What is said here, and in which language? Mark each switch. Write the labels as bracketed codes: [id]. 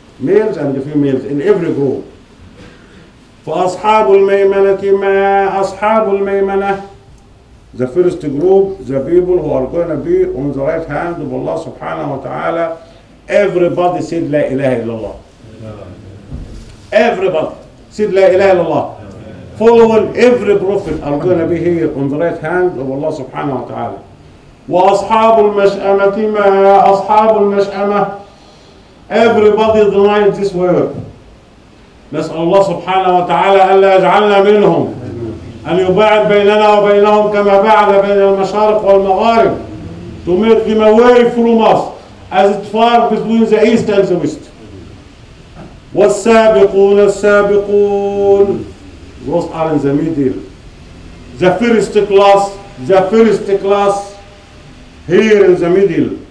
[en] Males and females in every group. [ar] فَأَصْحَابُ الْمَيْمَنَةِ مَا أَصْحَابُ الْمَيْمَنَةِ. [en] The first group, the people who are going to be on the right hand of Allah subhanahu wa ta'ala, everybody said [ar] لا إله إلا الله. [en] Everybody said [ar] لا إله إلا الله. [en] Following every prophet are going to be here on the right hand of Allah subhanahu wa ta'ala. [ar] وَأَصْحَابُ الْمَشْأَمَةِ مَا أَصْحَابُ الْمَشْأَمَةِ. [en] Everybody denied this word. [ar] نسأل الله سبحانه وتعالى ألا يجعلنا منهم أن يباعد بيننا وبينهم كما بعد بين المشارق والمغارب. [en] To make them away from us as it far between the east and the west. [ar] والسابقون السابقون. [en] Those are in the middle. The first class, the first class here in the middle.